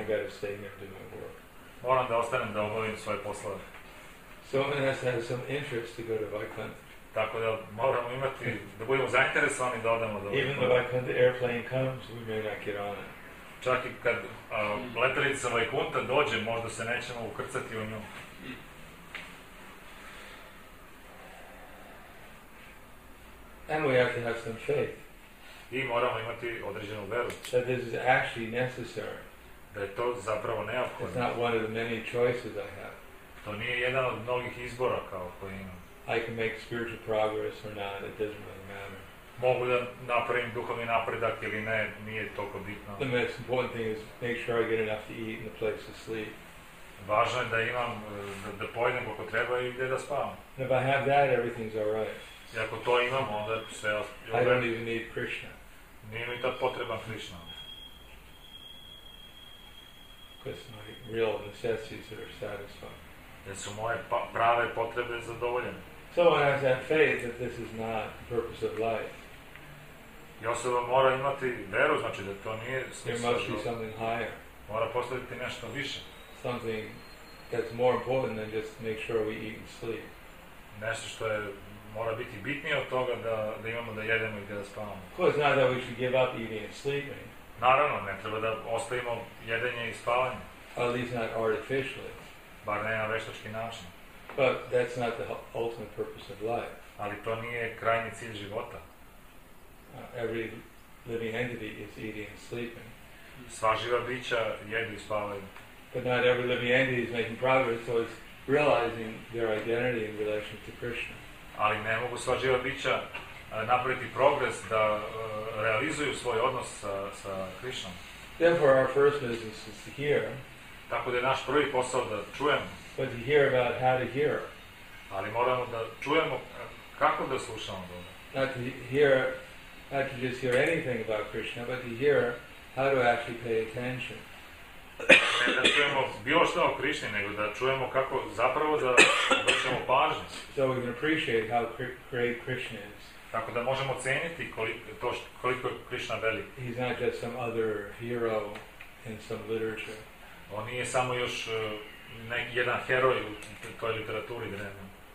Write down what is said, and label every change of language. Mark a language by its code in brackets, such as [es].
[en] I gotta stay here to do my work. [sr] Moram da ostanem da obavim svoje poslove. [en] So one has to have some interest to go to Vaikuntha. [sr] Tako da moramo imati, da budemo zainteresovani da odemo do Vaikuntha. [en] Even though Vaikuntha airplane comes, we may not get on it. [sr] Čak i kad letelica Vaikuntha dođe, možda se nećemo ukrcati u nju. [en] And we have to have some faith. [sr] I moramo imati određenu veru. [en] That this is actually necessary. [sr] Da je to zapravo neophodno. [en] It's not one of the many choices I have. [sr] To nije jedan od mnogih izbora kao koji imam. [en] I can make spiritual progress or not, it doesn't really matter. [sr] Mogu da napravim duhovni napredak ili ne, nije toliko bitno. [en] The most important thing is make sure I get enough to eat and a place to sleep. [sr] Važno je da imam, da pojedem koliko treba i gdje da spavam. [en] And if I have that, everything's all right. [sr] I ako to imam, onda sve [en] I don't even need Krishna. [sr] Nije mi ta potreba Krishna. [en] Because my real necessities are satisfied. [sr] Jer su moje prave potrebe zadovoljene. [en] So one has that faith that this is not the purpose of life. [sr] I osoba mora imati veru, znači da to nije smisao. Mora postaviti nešto više. [en] Something that's more important than just make sure we eat and sleep. [sr] Nešto što je, mora biti bitnije od toga da, da imamo da jedemo i da spavamo. [en] Of course not that we should give up eating and sleeping. [sr] Naravno, ne treba da ostavimo jedenje i spavanje. [en] At least not artificially. [sr] Bar ne na veštački način. [en] But that's not the ultimate purpose of life. [sr] Ali to nije krajnji cilj života. [en] Every living entity is eating and sleeping. [sr] Sva živa bića jedu i spavaju. [en] But not every living entity is making progress towards realizing their identity in relation to Krishna. [sr] Ali ne mogu sva živa bića napraviti progres da realizuju svoj odnos sa, sa Krishnom. [en] Therefore our first business is to hear. [sr] Tako da je naš prvi posao da čujemo. [en] But to hear about how to hear. [sr] Ali moramo da čujemo kako da slušamo Boga. [en] Not to hear, not to just hear anything about Krishna, but to hear how to actually pay attention. [sr] Ne da čujemo bilo što o Krišni, nego da čujemo kako zapravo da obraćamo pažnju. [en] So we can appreciate how great Krishna is. [sr] Tako da možemo ceniti koliko, koliko je Krišna velik. [en] He's not just some other hero in some literature. [sr] On nije samo još neki jedan heroj u toj literaturi drevno.